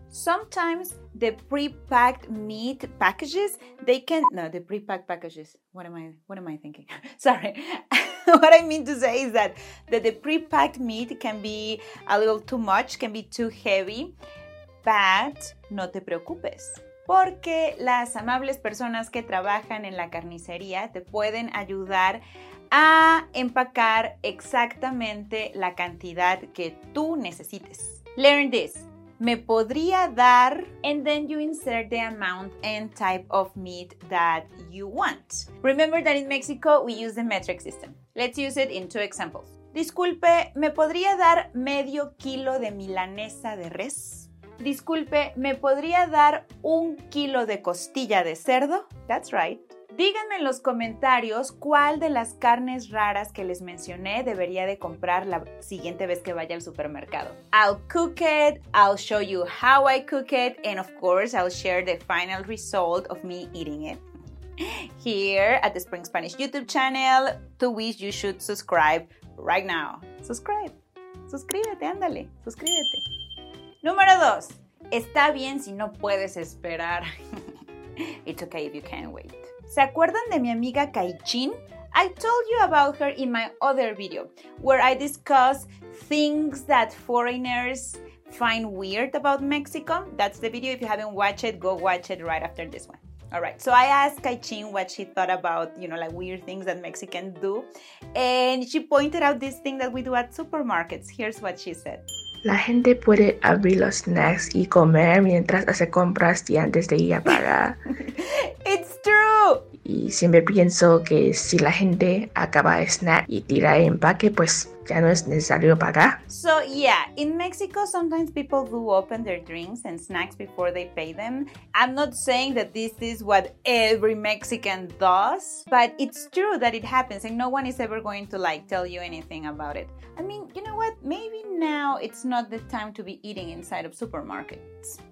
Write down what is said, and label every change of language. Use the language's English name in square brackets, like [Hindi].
[English] Sometimes the pre-packed meat packages, What I mean to say is that the pre-packed meat can be a little too much, can be too heavy, but [Spanish] no te preocupes. Porque las amables personas que trabajan en la carnicería te pueden ayudar a empacar exactamente la cantidad que tú necesites. [English] Learn this. [Spanish] Me podría dar... [English] And then you insert the amount and type of meat that you want. Remember that in Mexico we use the metric system. Let's use it in two examples. [Spanish] Disculpe, ¿me podría dar medio kilo de milanesa de res? Disculpe, ¿me podría dar un kilo de costilla de cerdo? [English] That's right. [Spanish] Díganme en los comentarios cuál de las carnes raras que les mencioné debería de comprar la siguiente vez que vaya al supermercado. [English] I'll cook it, I'll show you how I cook it, and of course I'll share the final result of me eating it. Here at the Spring Spanish YouTube channel, to which you should subscribe right now. Subscribe. [Spanish] Suscríbete, ándale, suscríbete. Número 2. Está bien si no puedes esperar. [English] It's okay if you can't wait. [Spanish] ¿Se acuerdan de mi amiga Kaichin? [English] I told you about her in my other video, where I discuss things that foreigners find weird about Mexico. That's the video. If you haven't watched it, go watch it right after this one. Alright, so I asked Kaichin what she thought about, you know, like weird things that Mexicans do. And she pointed out this thing that we do at supermarkets. Here's what she said. [Spanish] La gente puede abrir los snacks y comer mientras hace compras y antes de ir a pagar. [English] It's true. [Spanish] Y siempre pienso que si la gente acaba el snack y tira el empaque, pues ya no es necesario pagar. [English] So yeah, in Mexico sometimes people do open their drinks and snacks before they pay them. I'm not saying that this is what every Mexican does, but it's true that it happens and no one is ever going to like tell you anything about it. I mean, you know what? Maybe now it's not the time to be eating inside of supermarkets.